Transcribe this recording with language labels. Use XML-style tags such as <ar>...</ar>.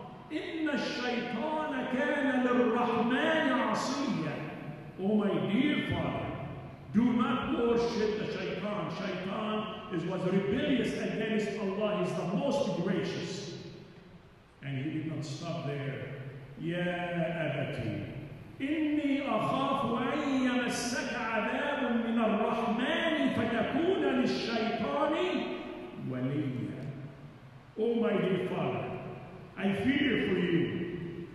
<ar>Inna ash-shaytana kana lir-rahman 'asiya.</ar> <en>Oh my dear father, do not worship the shaytan. Shaytan was rebellious against Allah. He's the most gracious. And he did not stop there.</en> <ar>Ya abati, إني أخاف أن يمسك عذاب من الرحمن فتكون للشيطان وليا.</ar> <en>Oh my dear father, I fear for you.</en>